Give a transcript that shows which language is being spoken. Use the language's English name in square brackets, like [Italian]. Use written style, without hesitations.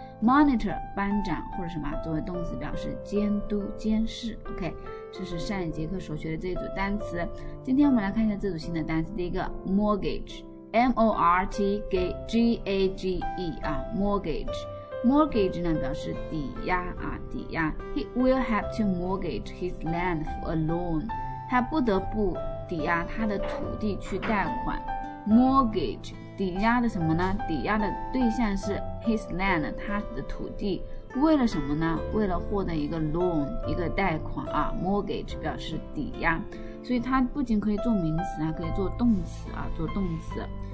[Chinese] monitor 班长或者什么作为动词表示监督监视。 OK， 这是上一节课所学的这一组单词。今天我们来看一下这组新的单词。第一个 mortgage， mortgage 啊， mortgage 呢表示抵押啊，抵押。 [English] he will have to mortgage his land for a loan， [Chinese] 他不得不抵押他的土地去贷款。 mortgage抵押的什么呢？抵押的对象是 his land， 他的土地。为了什么呢？为了获得一个 loan， 一个贷款啊。mortgage 表示抵押，所以它不仅可以做名词，还可以做动词啊，做动词。